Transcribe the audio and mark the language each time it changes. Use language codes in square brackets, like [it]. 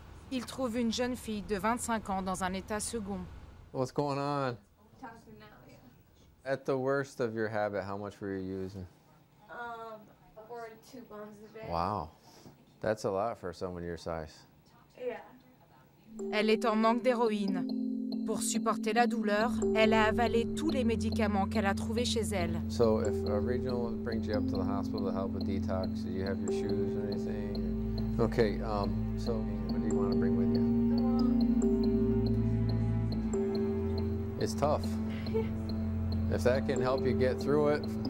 [fr] Il trouve une jeune fille de 25 ans dans un état second. [en] What's going on? At the worst of your habit, how much were you using? Four to two bombs a day. Wow. That's a lot for someone your size. Yeah. [fr] Elle est en manque d'héroïne. Pour supporter la douleur, elle a avalé tous les médicaments qu'elle a trouvés chez elle. [en] So if a regional brings you up to the hospital to help with detox, do you have your shoes or anything? Okay, so what do you want to bring with you? It's tough. If that can help you get through it.